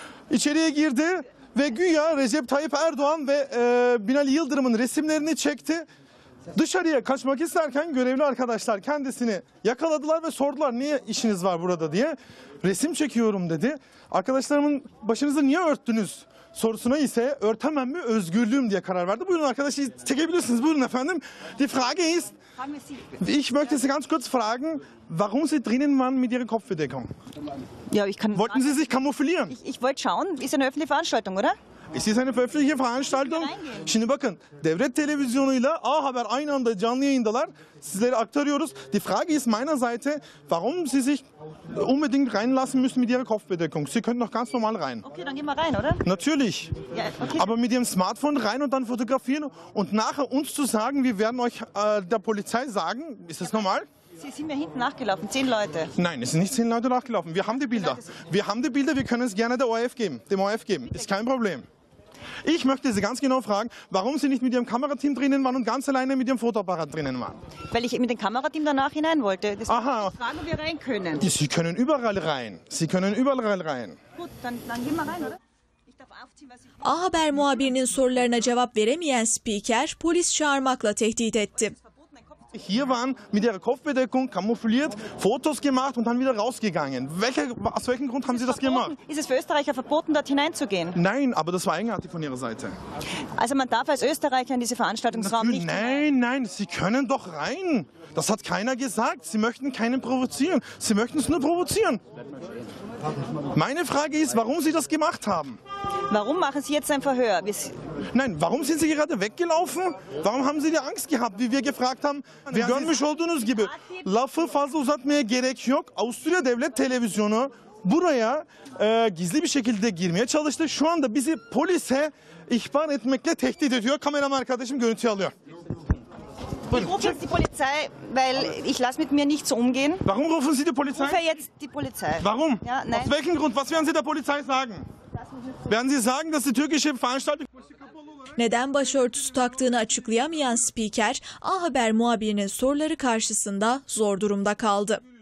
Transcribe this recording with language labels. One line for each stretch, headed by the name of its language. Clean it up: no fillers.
Turkish: İçeriye girdi ve güya Recep Tayyip Erdoğan ve Binali Yıldırım'ın resimlerini çekti. Dışarıya kaçmak isterken görevli arkadaşlar kendisini yakaladılar ve sordular niye işiniz var burada diye. Resim çekiyorum dedi. Arkadaşlarımın başınızı niye örttünüz sorusuna ise örtemem mi özgürlüğüm diye karar verdi. Buyurun arkadaşı çekebilirsiniz. Buyurun efendim.
German: Die Frage ist, ich möchte Sie ganz kurz fragen, warum Sie drinnen waren mit Ihrer Kopfbedeckung? Ja, ich kann. Wollten Sie sich kamuflieren? Ich wollte schauen, ist eine öffentliche Veranstaltung, oder? Es ist eine öffentliche Veranstaltung.
Turkish: Şimdi bakın, Devlet Televizyonu ile A Haber aynı anda canlı yayındalar. Sizlere aktarıyoruz.
German: Die Frage ist meiner Seite, warum Sie sich unbedingt reinlassen müssen mit Ihrer Kopfbedeckung? Sie können doch ganz normal rein. Okay, dann gehen wir rein, oder? Natürlich. Ja, okay. Aber mit Ihrem Smartphone rein und dann fotografieren und nachher uns zu sagen, wir werden euch der Polizei sagen. Ist das normal? Sie sind mir hinten nachgelaufen, 10 Leute. Nein, es sind nicht 10 Leute nachgelaufen. Wir haben die Bilder. Wir haben die Bilder, wir können es gerne der ORF geben, dem ORF geben. Ist kein Problem. Ich möchte Sie ganz genau fragen, warum Sie nicht mit Ihrem Kamerateam drinnen waren und ganz alleine mit Ihrem Fotoapparat drinnen waren. Weil ich mit dem Kamerateam danach hinein wollte. Das war die Frage, ob wir rein können. Sie können überall rein. Sie können überall rein. Gut, dann gehen wir rein, oder?
Turkish: A Haber muhabirinin sorularına cevap veremeyen spiker polis çağırmakla tehdit etti.
German: Hier waren mit ihrer Kopfbedeckung kamufliert, Fotos gemacht und dann wieder rausgegangen. Aus welchem Grund haben Sie das gemacht? Ist es für Österreicher verboten, dort hineinzugehen? Nein, aber das war eigenartig von Ihrer Seite. Also man darf als Österreicher in diese Veranstaltungsraum nicht hinein? Nein, nein, Sie können doch rein. Das hat keiner gesagt. Sie möchten keinen provozieren. Sie möchten es nur provozieren. Meine Frage ist, warum Sie das gemacht haben? Warum machen Sie jetzt ein Verhör? Nein, warum sind Sie gerade weggelaufen? Warum haben Sie die Angst gehabt, wie wir gefragt haben?
Turkish: Wir görmüş olduğunuz gibi lafı fazla uzatmaya gerek yok. Avusturya Devlet Televizyonu buraya gizli bir şekilde girmeye çalıştı. Şu anda bizi polise ihbar etmekle tehdit ediyor. Kameraman arkadaşım görüntüyü alıyor.
German: Ich rufe jetzt die Polizei, weil ich lasse mit mir nicht so umgehen. Warum rufen Sie die Polizei? Ich rufe jetzt die Polizei. Warum? Ja, nein. Aus welchem Grund? Was werden Sie der Polizei sagen? Werden Sie sagen, dass die türkische Veranstaltung...
Turkish: Neden başörtüsü taktığını açıklayamayan spiker, A Haber muhabirinin soruları karşısında zor durumda kaldı.